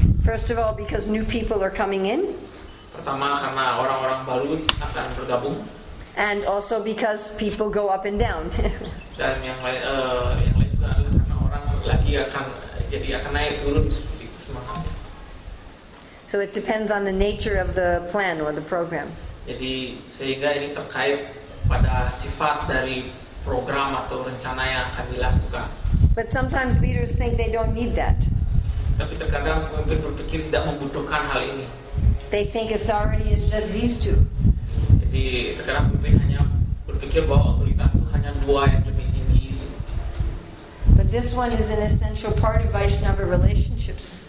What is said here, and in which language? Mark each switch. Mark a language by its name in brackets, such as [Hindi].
[English] First of all, because new people are coming in. [Indonesian] Pertama, karena orang-orang baru akan bergabung. [English] And also because people go up and down. [Indonesian] Dan yang lain juga adalah karena orang lagi akan naik turun seperti itu semangatnya. [English] So it depends on the nature of the plan or the program. [Indonesian] Jadi sehingga ini terkait pada sifat dari program atau rencana yang akan dilakukan. [English] But sometimes leaders think they don't need that. [Indonesian] Tapi terkadang pemimpin berpikir tidak membutuhkan hal ini. [English] They think authority is just these two. [Indonesian] Jadi terkadang pemimpin hanya berpikir bahwa otoritas itu hanya dua yang lebih tinggi itu. [English] But this one is an essential part of Vaishnava relationships.